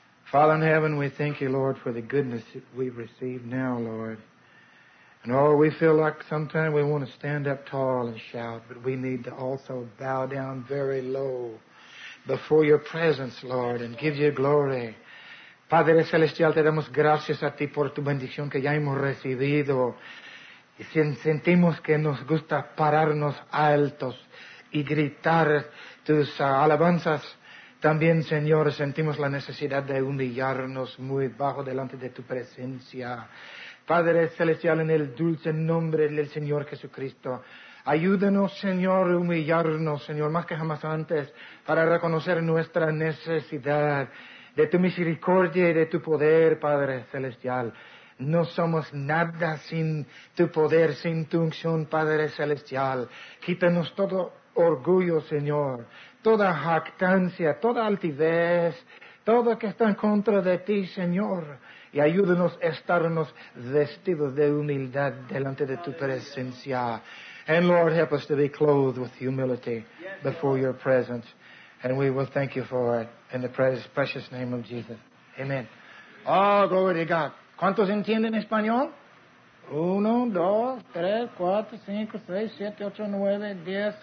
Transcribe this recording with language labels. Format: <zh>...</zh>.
<en>Father in heaven, we thank you, Lord, for the goodness we've received now, Lord. And oh, we feel like sometimes we want to stand up tall and shout, but we need to also bow down very low before your presence, Lord, and give you glory.</en> <es>Padre Celestial, te damos gracias a ti por tu bendición que ya hemos recibido. Y sentimos que nos gusta pararnos altos y gritar tus alabanzas. También, Señor, sentimos la necesidad de humillarnos muy bajo delante de tu presencia. Padre Celestial, en el dulce nombre del Señor Jesucristo, ayúdanos, Señor, a humillarnos, Señor, más que jamás antes, para reconocer nuestra necesidad de tu misericordia y de tu poder, Padre Celestial. No somos nada sin tu poder, sin tu unción, Padre Celestial. Quítanos todo orgullo, Señor, toda jactancia, toda altivez, todo que está en contra de ti, Señor. Y ayúdanos a estarnos vestidos de humildad delante de tu presencia.</es> <en>And Lord, help us to be clothed with humility before your presence. And we will thank you for it in the precious name of Jesus. Amen. Oh, glory to God.</en> <es>¿Cuántos entienden español? Uno, dos, tres, cuatro, cinco, seis, siete, ocho, nueve, diez.</es>